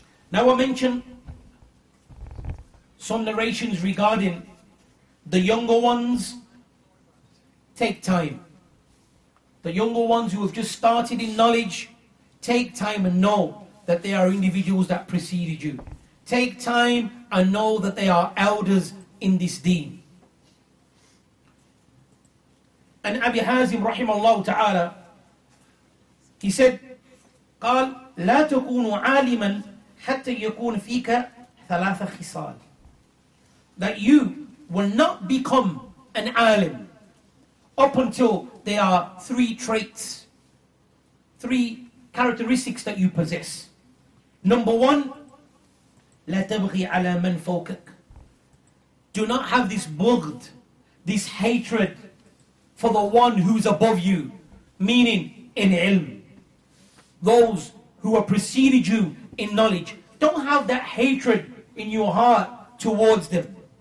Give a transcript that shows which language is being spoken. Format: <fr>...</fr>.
<en>Now I mention some narrations regarding the younger ones take time. The younger ones who have just started in knowledge, take time and know that they are individuals that preceded you. Take time and know that they are elders in this deen.</en> <ar>And Abi Hazim rahimahullah ta'ala,</ar> <en>he said,</en> <ar>قال لا تكون عالما حتى يكون فيك ثلاثة خصال.</ar> <en>That you will not become an alim up until there are three traits, three characteristics that you possess. Number one,</en> <ar>لا تبغي على من فوقك.</ar> <en>Do not have this bughd, this hatred for the one who's above you, meaning in ilm. Those who have preceded you in knowledge, don't have that hatred in your heart towards them.</en>